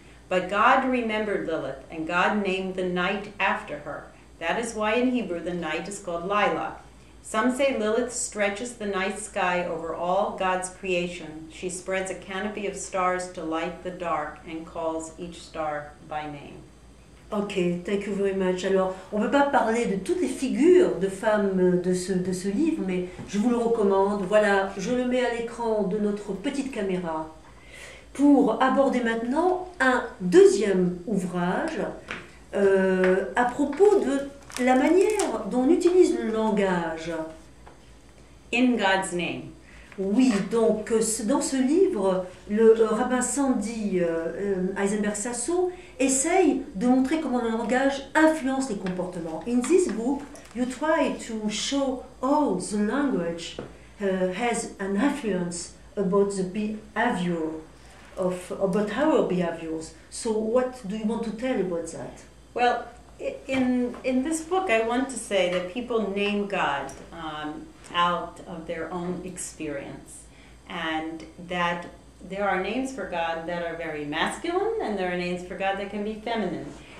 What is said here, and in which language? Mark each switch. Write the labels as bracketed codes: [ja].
[en] But God remembered Lilith, and God named the night after her. That is why in Hebrew the night is called Lilah. Some say Lilith stretches the night sky over all God's creation. She spreads a canopy of stars to light the dark and calls each star by name. Ok, thank you very much. [fr] Alors, on ne peut pas parler de toutes les figures de femmes de ce livre, mais je vous le recommande. Voilà, je le mets à l'écran de notre petite caméra pour aborder maintenant un deuxième ouvrage à propos de la manière dont on utilise le langage. [en] In God's name. [fr] Oui, donc dans ce livre, le rabbin Sandy Eisenberg Sasso essaye de montrer comment le langage influence les comportements. [en] In this book, you try to show how the language has an influence about the behavior of about our behaviors. So, what do you want to tell about that? Well, in this book, I want to say that people name God out of their own experience, and that there are names for God that are very masculine and there are names for God that can be feminine.